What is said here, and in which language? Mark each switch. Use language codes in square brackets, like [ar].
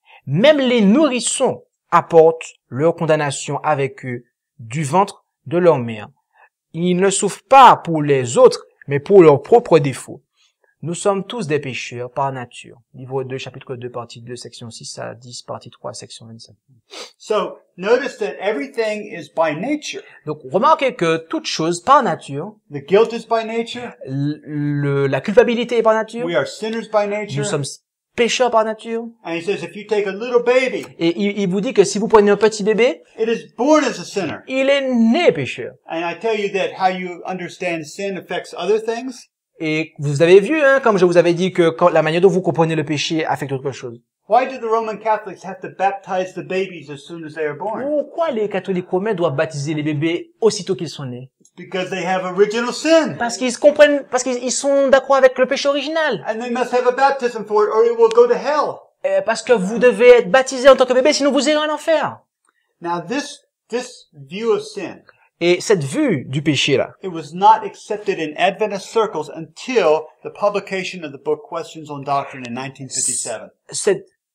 [fr] Même les nourrissons apportent leur condamnation avec eux du ventre de leur mère. Ils ne souffrent pas pour les autres, mais pour leurs propres défauts. Nous sommes tous des pécheurs par nature. Livre 2, chapitre 2, partie 2, section 6 à 10, partie 3, section 25. [en] So, notice that everything is by nature. [fr] Donc, remarquez que toute chose par nature. [en] The guilt is by nature. [fr] La culpabilité est par nature. [en] We are sinners by nature. [fr] Nous sommes pécheurs par nature. [en] And he says, if you take a little baby. [fr] Et il vous dit que si vous prenez un petit bébé. [en] It is born as a sinner. [fr] Il est né pécheur. [en] And I tell you that how you understand sin affects other things. [fr] Et vous avez vu, hein, comme je vous avais dit, que quand la manière dont vous comprenez le péché affecte autre chose. [en] Why do the Roman Catholics have to baptize the babies as soon as they are born? [fr] Pourquoi les catholiques romains doivent baptiser les bébés aussitôt qu'ils sont nés? [en] Because they have original sin. [fr] Parce qu'ils sont d'accord avec le péché original. [en] And they must have a baptism for it, or it will go to hell. [fr] Et parce que vous devez être baptisé en tant que bébé, sinon vous irez en enfer. [en] Now this view of sin. [fr] Et cette vue du péché là. [en] It was not accepted in Adventist circles until the publication of the book Questions on Doctrine in 1957.